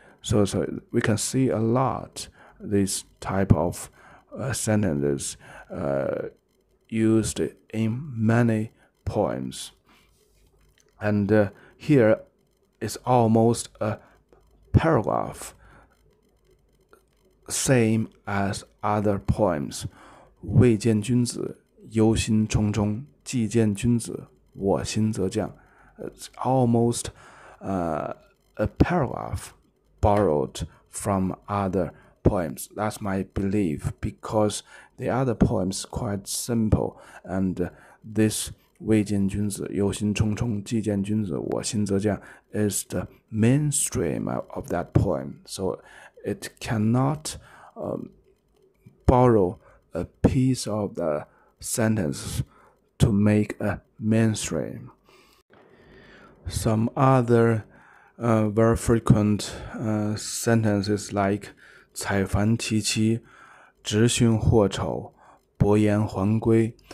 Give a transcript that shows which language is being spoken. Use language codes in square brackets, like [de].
[en] So we can see a lot this type of sentences used in many poems. And here is almost a paragraph, same as other poems. [zh] 未见君子，忧心忡忡；既见君子，我心则降。 [en] It's almost a paragraph borrowed from other poems. That's my belief, because the other poems quite simple, and this [zh] 未见君子，忧心忡忡；既见君子，我心则降。 [en] Is the mainstream of that poem, so it cannot borrow a piece of the sentence to make a mainstream. Some other very frequent sentences like [zh] 采蘩萋萋，执讯获丑，伯言还归。